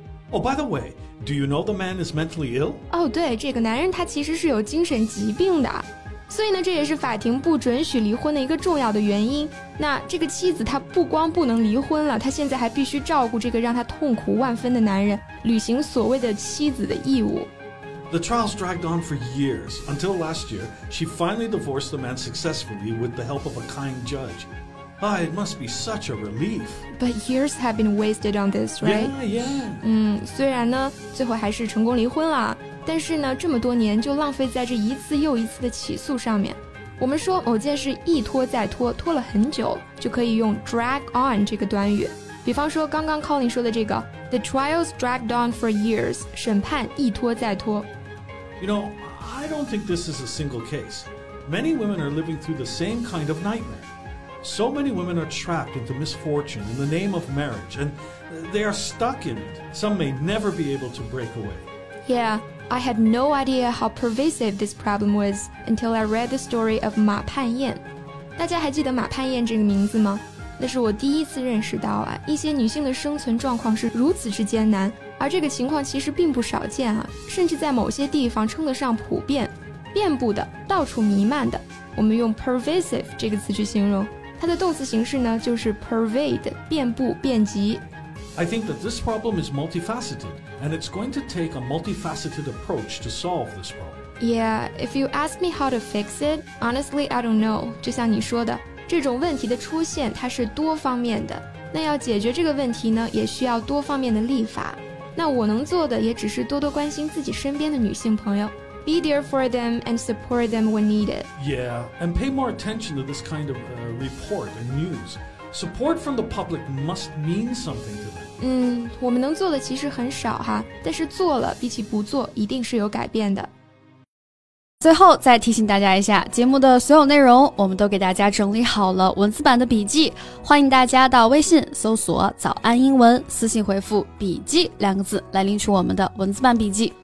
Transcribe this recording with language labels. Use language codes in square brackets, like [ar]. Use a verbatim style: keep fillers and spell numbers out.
[en] Oh, by the way, do you know the man is mentally ill? [zh] 哦，对，这个男人他其实是有精神疾病的，所以呢，这也是法庭不准许离婚的一个重要的原因。那这个妻子她不光不能离婚了，她现在还必须照顾这个让她痛苦万分的男人，履行所谓的妻子的义务。 [en] The trials dragged on for years. Until last year, she finally divorced the man successfully with the help of a kind judge. Ah, it must be such a relief. But years have been wasted on this, right? Yeah, yeah. [zh] 嗯，虽然呢，最后还是成功离婚了，但是呢，这么多年就浪费在这一次又一次的起诉上面。我们说某件事一拖再拖，拖了很久，就可以用 drag on 这个短语。比方说刚刚 Colin 说的这个 [en] The trials dragged on for years， [zh] 审判一拖再拖。 [en] You know, I don't think this is a single case. Many women are living through the same kind of nightmare. So many women are trapped into misfortune in the name of marriage, and they are stuck in it. Some may never be able to break away. Yeah, I had no idea how pervasive this problem was until I read the story of 马盼燕。 [zh] 大家还记得马盼燕这个名字吗？那是我第一次认识到啊，一些女性的生存状况是如此之艰难。而这个情况其实并不少见啊，甚至在某些地方称得上普遍，遍布的，到处弥漫的。我们用 pervasive 这个词去形容，它的动词形式呢就是 pervade， 遍布、遍及。 [en] I think that this problem is multifaceted, and it's going to take a multifaceted approach to solve this problem. Yeah, if you ask me how to fix it, honestly, I don't know. [zh] 就像你说的，这种问题的出现它是多方面的，那要解决这个问题呢，也需要多方面的立法。那我能做的也只是多多关心自己身边的女性朋友 [en] Be there for them and support them when needed. Yeah, and pay more attention to this kind of uh, report and news. Support from the public must mean something to them. [zh] 嗯，我们能做的其实很少哈，但是做了比起不做一定是有改变的。最后再提醒大家一下，节目的所有内容我们都给大家整理好了文字版的笔记，欢迎大家到微信搜索早安英文，私信回复笔记两个字来领取我们的文字版笔记。